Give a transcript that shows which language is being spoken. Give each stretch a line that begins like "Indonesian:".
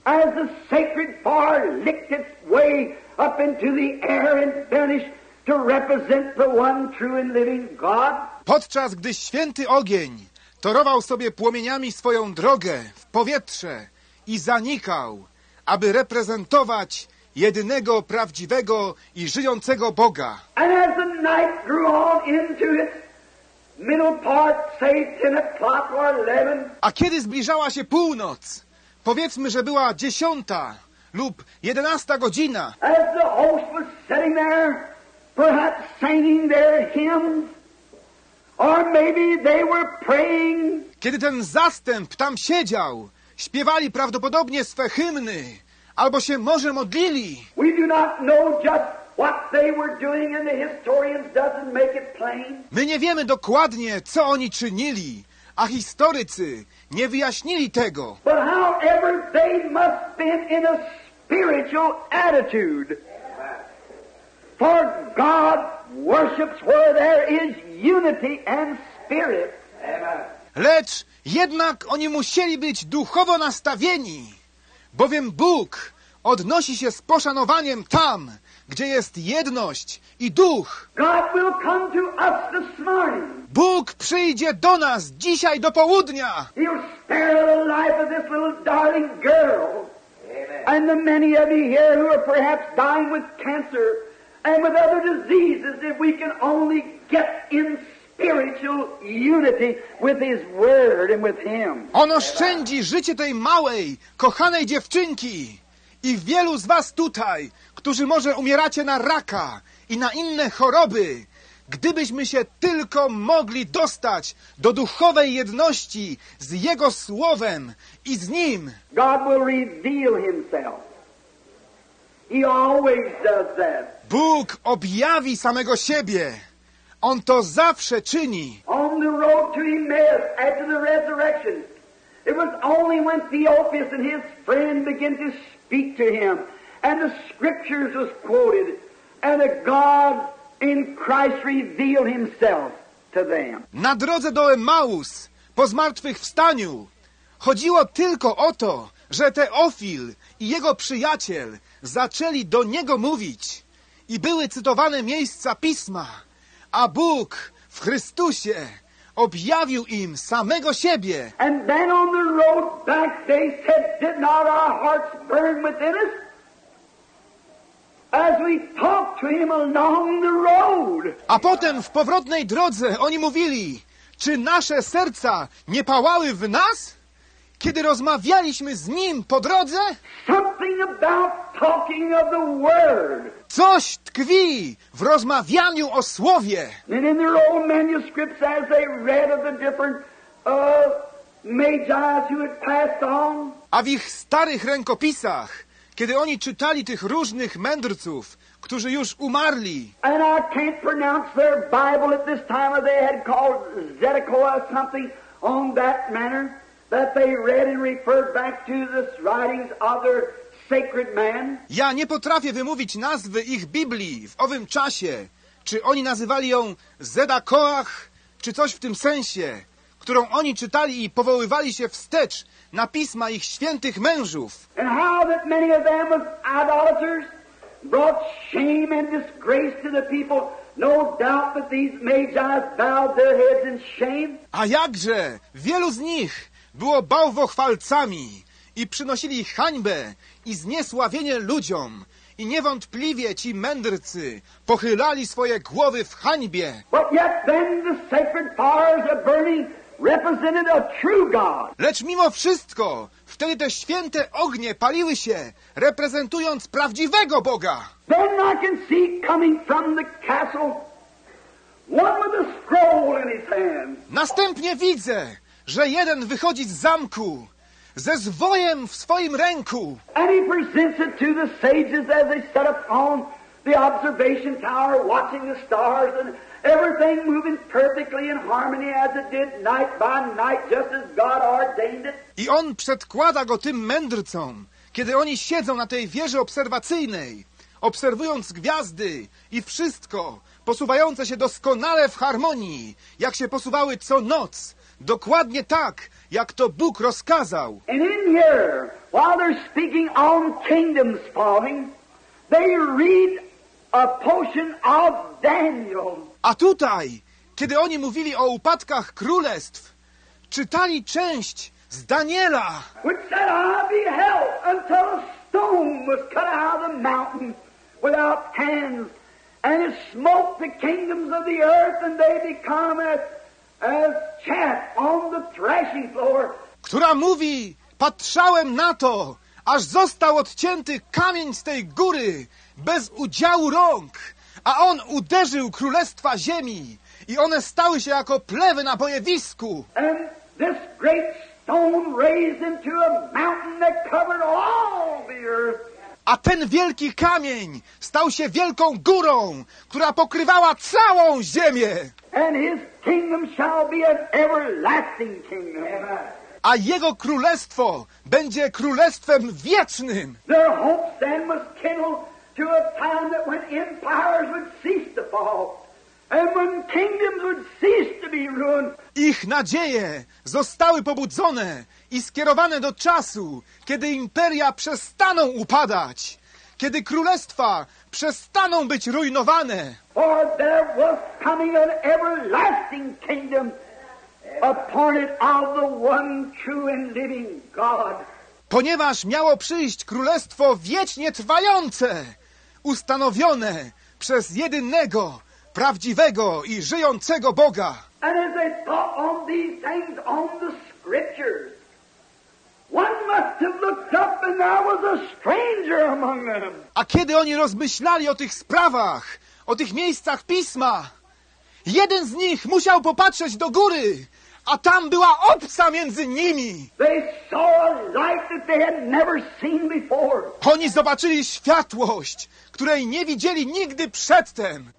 English: as the sacred fire licked its way up into the air and vanished to represent the one true and living God.
Polish: Podczas gdy święty ogień torował sobie płomieniami swoją drogę w powietrze i zanikał, aby reprezentować jedynego prawdziwego i żyjącego Boga.
English: And as the night grew on into its middle part, say 10 o'clock or 11.
Polish: A kiedy zbliżała się północ, powiedzmy, że była 10 lub 11 godzina.
English: As the host was sitting there, perhaps singing their hymns, or maybe they were praying.
Polish: Kiedy ten zastęp tam siedział, śpiewali prawdopodobnie swe hymny, albo się może modlili.
English: We do not know just what they were doing, and the historian doesn't make it plain.
Polish: My nie wiemy dokładnie, co oni czynili, a historycy nie wyjaśnili tego.
English: But however, they must be in a spiritual attitude. For God worships where there is unity and spirit.
Polish: Lecz jednak oni musieli być duchowo nastawieni, bowiem Bóg odnosi się z poszanowaniem tam, gdzie jest jedność i duch.
English: God will come to us this morning.
Polish: Bóg przyjdzie do nas dzisiaj do południa.
English: He'll spare the life of this little darling girl. Amen. And the many of you here who are perhaps dying with cancer and with other diseases, if we can only get in spiritual unity with His Word and with Him.
Polish: On oszczędzi życie tej małej, kochanej dziewczynki i wielu z was tutaj, którzy może umieracie na raka i na inne choroby, gdybyśmy się tylko mogli dostać do duchowej jedności z Jego Słowem i z Nim.
English: God will reveal Himself. He always does that.
Polish: Bóg objawi samego siebie. On to zawsze czyni.
English: On the road to Emmaus after the resurrection, it was only when Theophilus and his friend began to speak to him and the scriptures was quoted and a God in Christ revealed Himself to them.
Polish: Na drodze do Emmaus, po zmartwychwstaniu, chodziło tylko o to, że Teofil i jego przyjaciel zaczęli do niego mówić i były cytowane miejsca Pisma, a Bóg w Chrystusie objawił im samego siebie.
English: And then on the road back they said, did not our hearts burn within us? As we talked to him along the road.
Polish: A potem w powrotnej drodze oni mówili, czy nasze serca nie pałały w nas, kiedy rozmawialiśmy z nim po drodze?
English: Something about talking of the word.
Polish: Coś tkwi w rozmawianiu o słowie.
English: And in their old manuscripts as they read of the different magi who had passed on.
Polish: A w ich starych rękopisach, kiedy oni czytali tych różnych mędrców, którzy już umarli.
English: And I can't pronounce their Bible at this time, or they had called Zedekiah something on that manner that they read and referred back to the writings of their sacred man.
Polish: Ja nie potrafię wymówić nazwy ich Biblii w owym czasie. Czy oni nazywali ją Zedekiah, czy coś w tym sensie, którą oni czytali i powoływali się wstecz na pisma ich świętych mężów.
English: And how that many of them were idolaters, brought shame and disgrace to the people. No doubt that these magi bowed their heads in shame.
Polish: A jakże wielu z nich było bałwochwalcami i przynosili hańbę i zniesławienie ludziom. I niewątpliwie ci mędrcy pochylali swoje głowy w hańbie.
English: But yet then the sacred fires are burning. Represented a true God.
Polish: Lecz mimo wszystko, wtedy te święte ognie paliły się, reprezentując prawdziwego Boga.
English: Then I can see coming from the castle one with a scroll in his hand.
Polish: Następnie widzę, że jeden wychodzi z zamku ze zwojem w swoim ręku.
English: And he presents it to the sages as they set up on the observation tower, watching the stars and everything moving perfectly in harmony as it did night by night, just as God ordained it.
Polish: I on przedkłada go tym mędrcom, kiedy oni siedzą na tej wieży obserwacyjnej, obserwując gwiazdy i wszystko posuwające się doskonale w harmonii, jak się posuwały co noc, dokładnie tak, jak to Bóg rozkazał.
English: And in here, while they're speaking on kingdoms falling, they read a portion of Daniel.
Polish: A tutaj, kiedy oni mówili o upadkach królestw, czytali część z Daniela.
English: Which said, I beheld until a stone was cut out of the mountain without hands, and it smote the kingdoms of the earth, and they become as chaff on the threshing floor.
Polish: Która mówi, patrzałem na to, aż został odcięty kamień z tej góry bez udziału rąk. A on uderzył królestwa ziemi i one stały się jako plewy na bojewisku.
English: And this great stone raised into a mountain that covered all the earth.
Polish: A ten wielki kamień stał się wielką górą, która pokrywała całą ziemię.
English: And his kingdom shall be an everlasting kingdom.
Polish: A jego królestwo będzie królestwem wiecznym.
English: Their hopes then must kindle to a time that when empires would cease to fall and when kingdoms would cease to be ruined.
Polish: Ich nadzieje zostały pobudzone i skierowane do czasu, kiedy imperia przestaną upadać, kiedy królestwa przestaną być rujnowane.
English: For there was coming an everlasting kingdom appointed of the one true and living God.
Polish: Ponieważ miało przyjść królestwo wiecznie trwające, ustanowione przez jedynego, prawdziwego i żyjącego Boga.
English: And as they thought on these things, on the scriptures, one must have looked up and there was a stranger among them.
Polish: A kiedy oni rozmyślali o tych sprawach, o tych miejscach pisma, jeden z nich musiał popatrzeć do góry, a tam była obca między nimi.
English: They saw a light that they had never seen before.
Polish: Oni zobaczyli światłość, której nie widzieli nigdy przedtem.